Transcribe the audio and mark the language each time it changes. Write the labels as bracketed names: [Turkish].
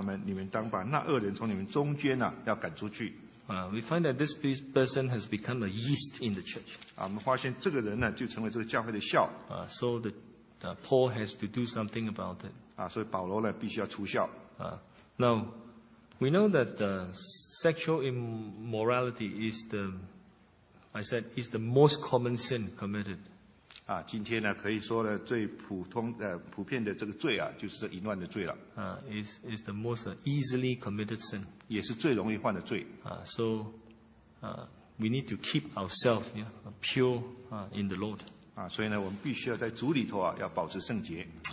[Chinese] 就至于这个外人有神审判他们，你们当把那恶人从你们中间要赶出去。 [English] We find that this person has become a yeast in the church. [Chinese] 我们发现这个人呢就成为这个教会的笑。 [English] So the Paul has to do something about it. [Chinese] 所以保罗呢必须要出校。 [English] Now, we know that sexual immorality is the most common sin committed. [Chinese] 今天呢，可以说呢，最普遍的这个罪啊，就是这淫乱的罪了。 [English] Is the most easily committed sin. [Chinese] 也是最容易犯的罪。 [English] We need to keep ourselves pure in the Lord. [Chinese] 所以呢，我们必须要在主里头要保持圣洁。